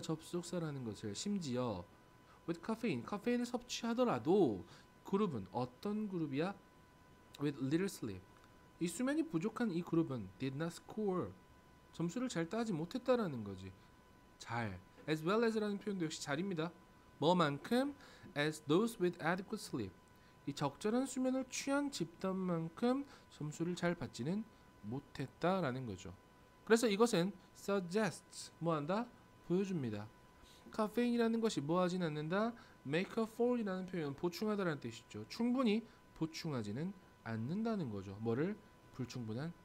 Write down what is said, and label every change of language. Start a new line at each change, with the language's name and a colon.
Korean: 접속사라는 것을. 심지어,
English: With
Korean: 카페인을 섭취하더라도 그룹은 어떤 그룹이야?
English: With little sleep.
Korean: 이 수면이 부족한 이 그룹은
English: did not score.
Korean: 점수를 잘 따지 못했다라는 거지. 잘.
English: As well as
Korean: 라는 표현도 역시 잘입니다. 뭐만큼?
English: As those with adequate sleep.
Korean: 이 적절한 수면을 취한 집단만큼 점수를 잘 받지는 못했다라는 거죠. 그래서 이것은
English: suggests.
Korean: 뭐 한다? 보여줍니다. 카페인이라는 것이 뭐 하진 않는다?
English: make up for
Korean: 이라는 표현은 보충하다라는 뜻이죠. 충분히 보충하지는 않는다는 거죠. 뭐를? 불충분한